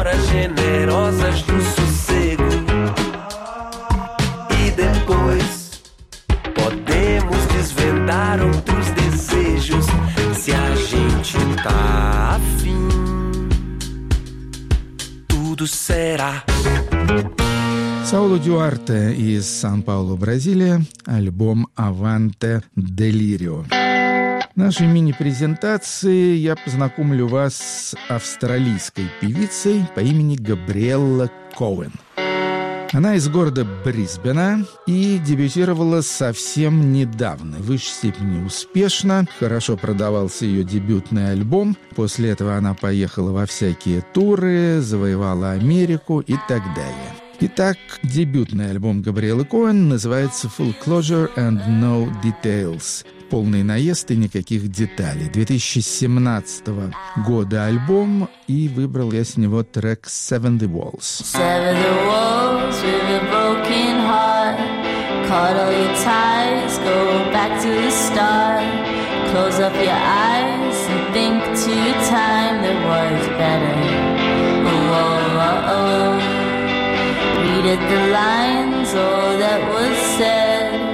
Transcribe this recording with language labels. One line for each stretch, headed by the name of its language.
Portuguese: Generosas do sossego, e depois podemos desvendar outros desejos. Se a gente tá afim, tudo será.
Russian: Сауло Дуарте из Сан-Паулу, Бразилия, альбом «Аванте Делирио». В нашей мини-презентации я познакомлю вас с австралийской певицей по имени Габриэлла Коэн. Она из города Брисбена и дебютировала совсем недавно, в высшей степени успешно. Хорошо продавался ее дебютный альбом. После этого она поехала во всякие туры, завоевала Америку и так далее. Итак, дебютный альбом Габриэллы Коэн называется «Full Closure and No Details». Полный наезд и никаких деталей. 2017 года альбом, и выбрал я с него трек «Seven the Walls».
English: Seven the walls with a broken heart. Cut all your ties, go back to the start. Close up your eyes and think to your time that was better. Read the lines, all that was said.